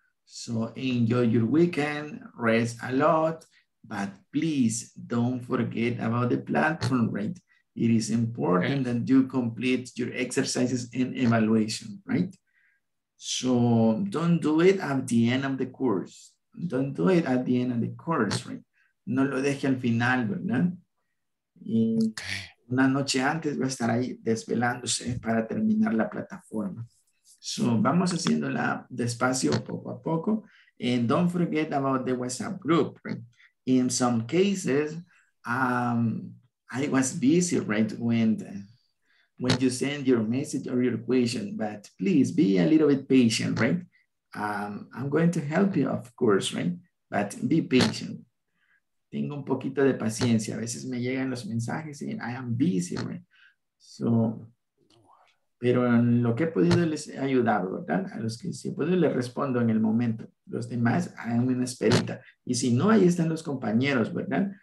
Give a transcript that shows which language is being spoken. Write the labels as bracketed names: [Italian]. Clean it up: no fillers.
[English] So enjoy your weekend, rest a lot, but please don't forget about the platform, right? It is important that you complete your exercises and evaluation, right? So don't do it at the end of the course. Don't do it at the end of the course, right? [Spanish] No lo deje al final, ¿verdad? Y una noche antes va a estar ahí desvelándose para terminar la plataforma. So vamos haciéndola despacio, poco a poco. [English] And don't forget about the WhatsApp group, right? In some cases, I was busy, right, when you send your message or your question, but please be a little bit patient, right? I'm going to help you, of course, right? But be patient. [Spanish] Tengo un poquito de paciencia. A veces me llegan los mensajes y [English] I am busy, right? So, [Spanish] pero en lo que he podido les he ayudado, ¿verdad? A los que sí puedo les respondo en el momento. Los demás, hagan una esperita. Y si no, ahí están los compañeros, ¿verdad?